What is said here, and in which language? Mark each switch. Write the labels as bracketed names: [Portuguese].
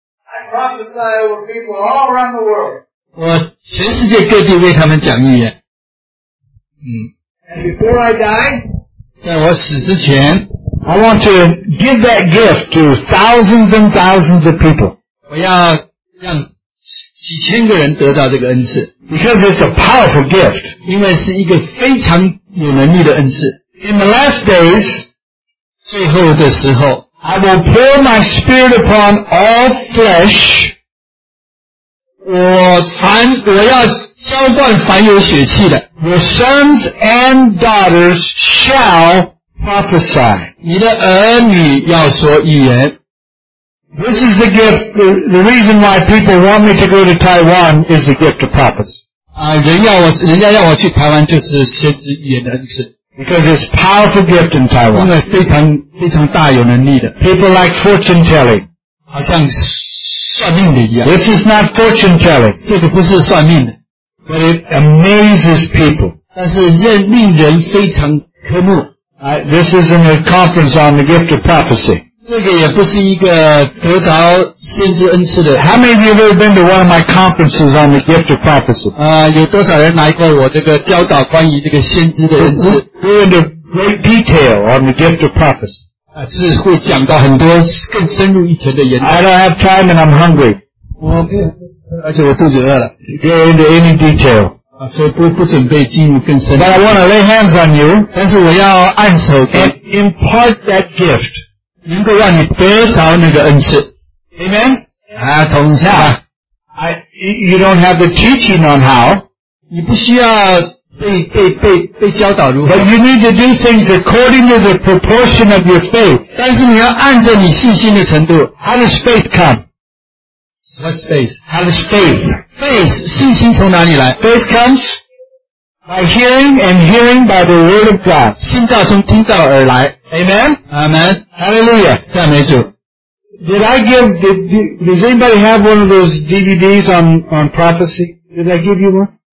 [English] I prophesy over people all around the world. [Chinese] 我全世界各地为他们讲预言。 [English] And before I die, [Chinese] 在我死之前 [English] I want to give that gift to thousands and thousands of people. [Chinese] 我要让几千个人得到这个恩赐。 [English] Because it's a powerful gift. [Chinese] 因为是一个非常有能力的恩赐。 [English] In the last days, [Chinese] 最后的时候 [English] I will pour my spirit upon all flesh. [Chinese] 我要浇灌凡有血气的。 [English] Your sons and daughters shall prophesy. [Chinese] 你的儿女要说预言。 [English] This is the gift, the reason why people want me to go to Taiwan is the gift of prophecy. [Chinese] 人家要我去台湾就是先知预言的恩赐。 [English] Because it's a powerful gift in Taiwan. [Chinese] 因为非常大有能力的。 [English] People like fortune telling. [Chinese] 好像算命的一样。 [English] This is not fortune telling. [Chinese] 这个不是算命的。 [English] But it amazes people. [Chinese] 但是令人非常科目。 [English] This isn't a conference on the gift of prophecy. [Chinese] 这个也不是一个得着先知恩赐的。 [English] How many of you have ever been to one of my conferences on the gift of prophecy? [Chinese] 有多少人来过我这个教导关于这个先知的恩赐？ [English] Go into great detail on the gift of prophecy. [Chinese] 是会讲到很多更深入一层的研究。 [English] I don't have time and I'm hungry. [Chinese] 而且我肚子饿了。 [English] Go into any detail. [Chinese] 所以不准备进入更深入。 [English] But I want to lay hands on you. [Chinese] 但是我要按手给。 [English] And impart that gift. [Chinese] 能够让你得着那个恩赐。 [English] Amen? [Chinese] 同下。 [English] You don't have the teaching on how. [Chinese] 你不需要被教导如何。 [English] But you need to do things according to the proportion of your faith. [Chinese] 但是你要按着你信心的程度。 [English] How does faith come? What's faith? How does faith? [Chinese] Faith, 信心从哪里来? [English] Faith comes by hearing and hearing by the word of God. [Chinese] 信道从听道而来。 [English] Amen? Amen. Hallelujah. [Chinese] 赞美主。 [English] Does anybody have one of those DVDs on prophecy? Did I give you one?